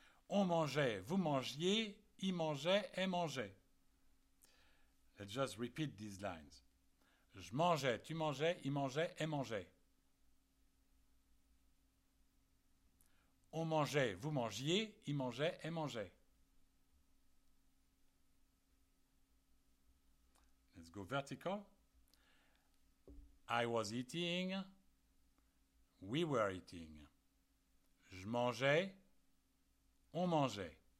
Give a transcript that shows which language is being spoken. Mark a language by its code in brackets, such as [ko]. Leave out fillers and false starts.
[fr] On mangeait, vous mangiez, il mangeait, elle mangeait. [en] Let's just repeat these lines. [fr] Je mangeais, tu mangeais, il mangeait, elle mangeait. On mangeait, vous mangiez, il mangeait, elle mangeait. [en] Let's go vertical. I was eating. We were eating. [fr] Je mangeais. On mangeait.